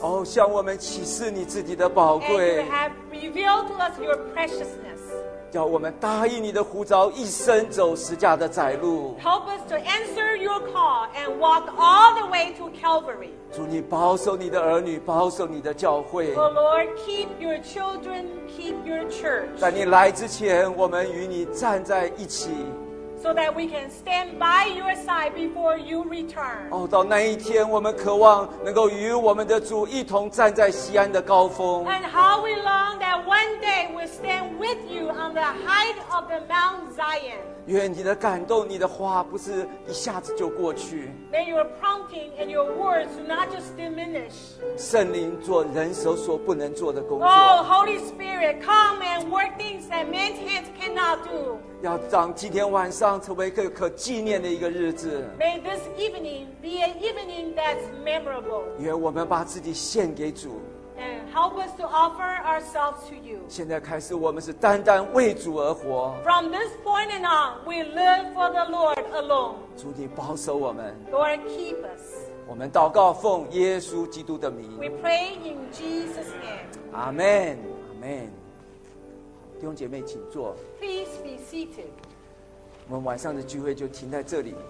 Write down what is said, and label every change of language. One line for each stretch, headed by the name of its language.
Chinese: 哦，向我们启示你自己的宝贵
English: And you have revealed to us your preciousness.
Chinese: 叫我们答应你的呼召一生走十架的窄路
English: Help us to answer your call and walk all the way to Calvary.
Chinese: 主你保守你的儿女保守你的教会
English: Oh Lord, keep your children. Keep your church.
Chinese: 在你来之前，我们与你站在一起。
English: So that we can stand by your side before you return.
Chinese: 哦，到那一天，我们渴望能够与我们的主一同站在锡安的高峰。
English: And how we long that one day we'll stand with you on the height of the Mount Zion.
Chinese: 愿你的感动，你的话不是一下子就过去。
English: May your prompting and your words not just diminish.
Chinese: 圣灵做人手所不能做的工作。
English: Oh, Holy Spirit, come and work things that man's hands cannot do.
Chinese: 要让今天晚上成为一个可纪念的一个日子。
English: May this evening be an evening that's memorable.
Chinese: 愿我们把自己献给主。
English: And help us to offer ourselves to you.
Chinese: 现在开始，我们是单单为主而活。
English: From this point and on, we live for the Lord alone.
Chinese: 主，你保守我们。
English: Lord, keep us.
Chinese: 我们祷告奉耶稣基督的名。
English: We pray in Jesus' name.
Chinese: Amen. Amen. 弟兄姐妹，请坐。
English: Please be seated.
Chinese: 我们晚上的聚会就停在这里。